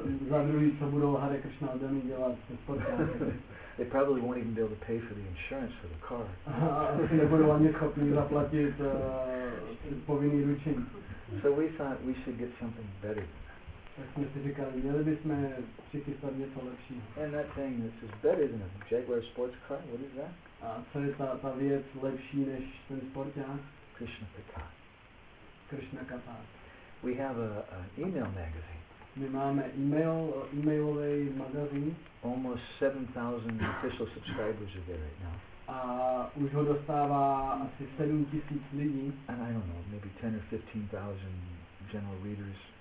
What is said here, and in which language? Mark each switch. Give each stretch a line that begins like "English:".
Czech: Za druhý, co budou Hare Krishna devotee dělat se sportkárem?
English: They probably won't even be able to pay for the insurance for the car.
Czech: Nebudou ani schopni zaplatit povinný ručení.
English: So we thought we should get something better.
Czech: Tak jsme si říkali, měli bychom přichystat něco lepší.
English: And that thing that is better than a Jaguar sports car, what is that?
Czech: A co je ta věc lepší než ten sporták?
English: Krishna Kata.
Czech: Krishna Kata.
English: We have an email magazine.
Czech: My máme e-mailový magazín.
English: Almost 7,000 official subscribers are there right now.
Czech: A už ho dostává asi 7,000 lidí.
English: And I don't know, maybe 10 or 15,000 general readers.